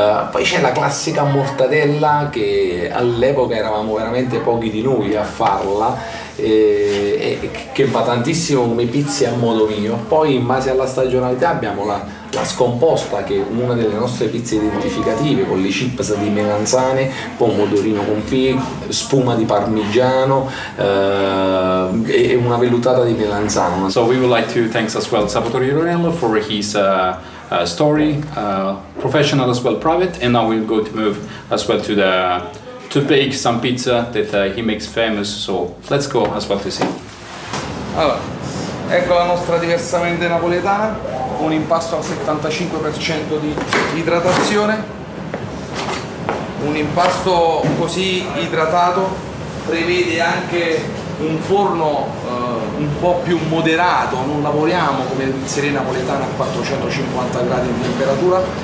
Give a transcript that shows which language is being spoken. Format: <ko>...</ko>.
<it>Poi c'è la classica mortadella, che all'epoca eravamo veramente pochi di noi a farla, che va tantissimo come pizza a modo mio. Poi in base alla stagionalità abbiamo la scomposta, che è una delle nostre pizze identificative, con le chips di melanzane, pomodorino confit, spuma di parmigiano e una vellutata di melanzana.</it> <en>So we would like to thanks as well Salvatore Iorello for his story, professional as well private, and now we're going to move as well to the to bake some pizza that he makes famous, so let's go as well to see.</en> <it>Allora, ecco la nostra diversamente napoletana, un impasto al 75% di idratazione, un impasto così idratato prevede anche un forno un po' più moderato, non lavoriamo come pizzeria napoletana a 450 gradi di temperatura,</it>